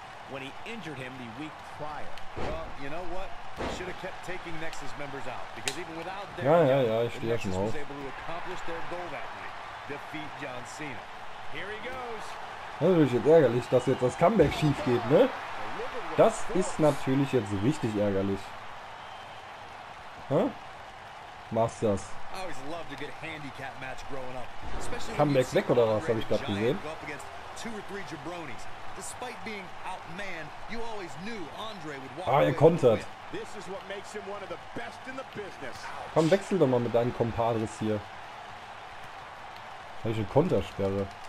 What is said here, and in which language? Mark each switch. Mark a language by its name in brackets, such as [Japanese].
[English] When he injured him the week prior. Well, you know what? He should have kept taking Nexus members out. Because even without them, [German] ja, ich stehe schon auf. [English] Was able to accomplish their goal that week. Defeat John Cena. Here he goes. [German] Das ist natürlich jetzt ärgerlich, dass jetzt das Comeback schief geht, ne? Das ist natürlich jetzt richtig ärgerlich. Hä? Machst das. [English] I always loved a good handicap match growing up. [German] Comeback weg oder was, habe ich gerade gesehen? [English] Two or three jabronis. Despite being outmanned, you always knew Andre would walk. [German] Ah, er kontert. [English] This is what makes him one of the best in the business. [German] Komm, wechsel doch mal mit deinen Kompadres hier. Habe ich eine Kontersperre.